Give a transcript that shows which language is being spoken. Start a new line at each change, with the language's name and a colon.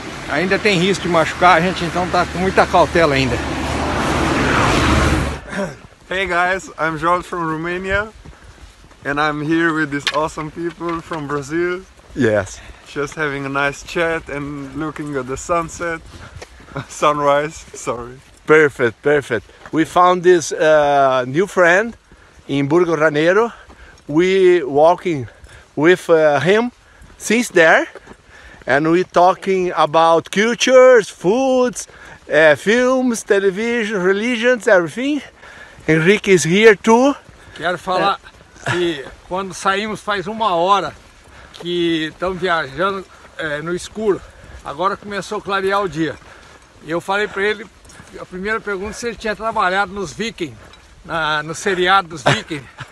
Portuguese: Ainda tem risco de machucar, a gente então está com muita cautela ainda.
English: Hey guys, I'm George from Romania and I'm here with these awesome people from Brazil. Yes. Just having a nice chat and looking at the sunset. Sunrise, sorry. Perfect, perfect. We found this new friend in Burgo Raneiro. We walking with him since there. And we talking about cultures, foods, films, television, religions, everything. Henrique is here too.
Portuguese: Quero falar que quando saímos faz uma hora que estamos viajando no escuro. Agora começou a clarear o dia. E eu falei para ele, a primeira pergunta, se ele tinha trabalhado nos Vikings, no seriado dos Vikings.